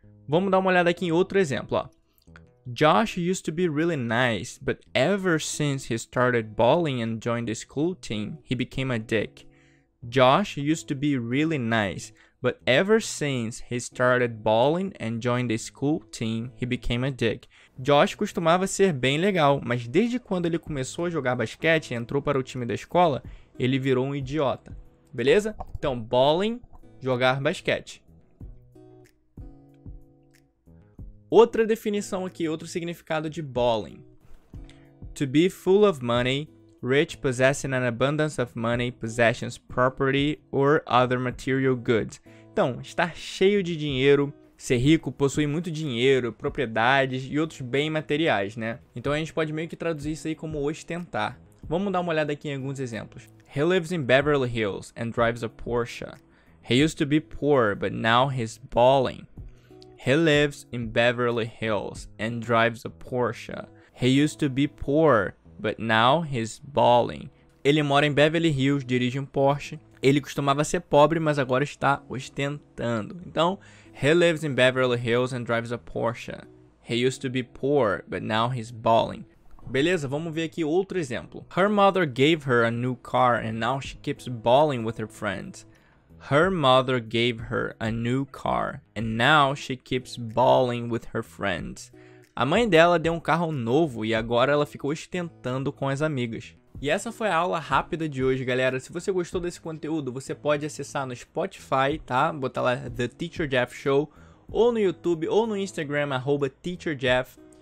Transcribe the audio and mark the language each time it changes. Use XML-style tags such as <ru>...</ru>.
<pt>Vamos dar uma olhada aqui em outro exemplo, ó.</pt> <en>Josh used to be really nice, but ever since he started balling and joined the school team, he became a dick. Josh used to be really nice. But ever since he started balling and joined the school team, he became a dick.</en> <pt>Josh costumava ser bem legal, mas desde quando ele começou a jogar basquete e entrou para o time da escola, ele virou um idiota. Beleza? Então, balling, jogar basquete. Outra definição aqui, outro significado de balling.</pt> <en>To be full of money. Rich, possessing an abundance of money, possessions, property, or other material goods.</en> <pt>Então, estar cheio de dinheiro, ser rico, possuir muito dinheiro, propriedades e outros bens materiais, né? Então, a gente pode meio que traduzir isso aí como ostentar. Vamos dar uma olhada aqui em alguns exemplos.</pt> <en>He lives in Beverly Hills and drives a Porsche. He used to be poor, but now he's balling. He lives in Beverly Hills and drives a Porsche. He used to be poor. But now he's balling.</en> <pt>Ele mora em Beverly Hills, dirige um Porsche. Ele costumava ser pobre, mas agora está ostentando.</pt> <en>Então, he lives in Beverly Hills and drives a Porsche. He used to be poor, but now he's balling.</en> <pt>Beleza, vamos ver aqui outro exemplo.</pt> <en>Her mother gave her a new car and now she keeps balling with her friends. Her mother gave her a new car and now she keeps balling with her friends.</en> <pt>A mãe dela deu um carro novo e agora ela ficou ostentando com as amigas. E essa foi a aula rápida de hoje, galera. Se você gostou desse conteúdo, você pode acessar no Spotify, tá? Botar lá The Teacher Jeff Show. Ou no YouTube ou no Instagram, @teacherjeff.</pt>